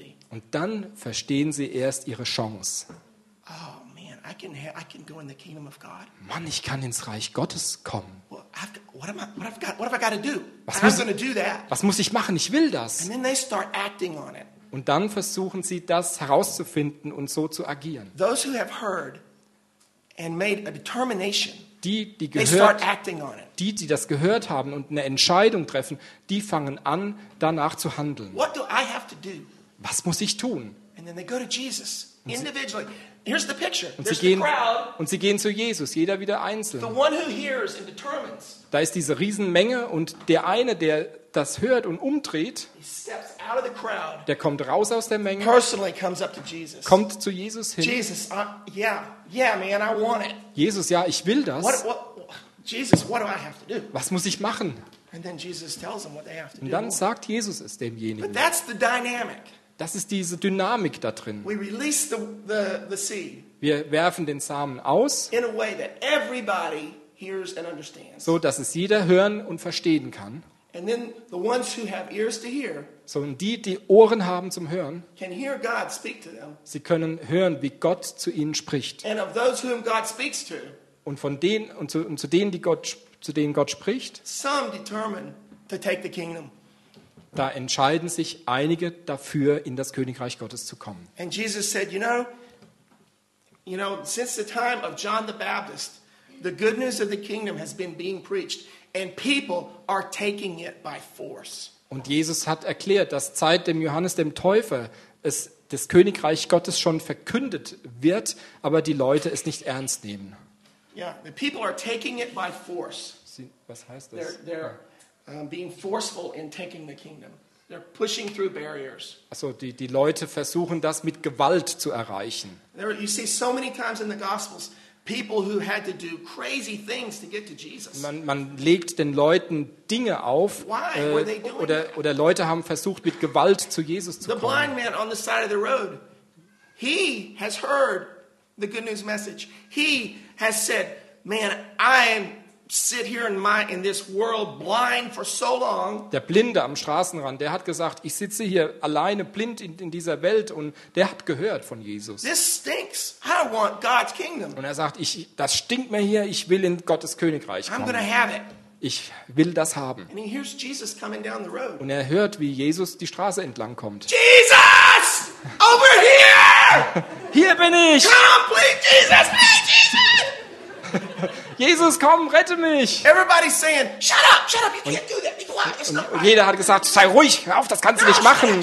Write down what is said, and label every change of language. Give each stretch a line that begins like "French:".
German: Und dann verstehen sie erst ihre Chance. Oh.
English: I can go in the kingdom of God.
German: Mann, ich kann ins Reich Gottes kommen.
English: What have I got to do?
German: Was muss ich machen? Ich will das.
English: And then they start acting on it.
German: Und dann versuchen sie das herauszufinden und so zu agieren.
English: Those who have heard and made a determination.
German: Die gehört, die das gehört haben und eine Entscheidung treffen, die fangen an danach zu handeln.
English: What do I have to do?
German: Was muss ich tun?
English: And then they go to Jesus individually. Here's the picture.
German: Und sie gehen, zu Jesus, jeder wieder einzeln.
English: The one who hears and determines.
German: Da ist diese Riesenmenge und der eine, der das hört und umdreht,
English: he steps out of the crowd,
German: der kommt raus aus der Menge,
English: personally comes up to Jesus.
German: Kommt zu Jesus hin.
English: Jesus, man, I want it.
German: Jesus, ja, ich will das.
English: Jesus, what do I have to do?
German: Was muss ich machen?
English: And then Jesus tells them what they have to do.
German: Und dann sagt Jesus es demjenigen.
English: But that's the dynamic.
German: Das ist diese Dynamik da drin.
English: We release the seed.
German: Wir werfen den Samen aus.
English: In a way that everybody hears and understands.
German: So dass es jeder hören und verstehen kann.
English: And then the ones who have ears to hear.
German: So und die, die Ohren haben zum Hören.
English: Can hear God speak to them.
German: Sie können hören, wie Gott zu ihnen spricht.
English: And of those whom God speaks to.
German: Und von denen und zu denen Gott spricht.
English: Some determine to take the kingdom.
German: Da entscheiden sich einige dafür, in das Königreich Gottes zu kommen.
English: And Jesus said, you know, since the time of John the Baptist, the good news of the kingdom has been being preached, and people are taking it by force.
German: Und Jesus hat erklärt, dass seit dem Johannes dem Täufer es das Königreich Gottes schon verkündet wird, aber die Leute es nicht ernst nehmen.
English: Yeah, the people are taking it by force.
German: Was heißt das?
English: Being forceful in taking the kingdom. They're pushing through barriers.
German: Also die Leute versuchen das mit Gewalt zu erreichen.
English: There, you see so many times in the Gospels people who had to do crazy things to get to Jesus.
German: Man legt den Leuten Dinge auf.
English: Why were they doing
German: oder Leute haben versucht mit Gewalt zu Jesus zu kommen.
English: The blind man on the side of the road, he has heard the good news message. He has said, "Man, I am sit here in this world blind for so long."
German: Der Blinde am Straßenrand, der hat gesagt, ich sitze hier alleine blind in dieser Welt, und der hat gehört von Jesus.
English: This stinks. I want God's kingdom.
German: Und er sagt, das stinkt mir hier, ich will in Gottes Königreich kommen.
English: I'm gonna have it.
German: Ich will das haben.
English: And he hears Jesus coming down the road.
German: Und er hört, wie Jesus die Straße entlang kommt.
English: Jesus! Over here!
German: Hier bin ich!
English: Come, please, Jesus! Please, Jesus!
German: Jesus, komm, rette mich!
English: Everybody's saying, shut up, you can't do that.
German: Und jeder hat gesagt, sei ruhig, hör auf, das kannst du nicht machen.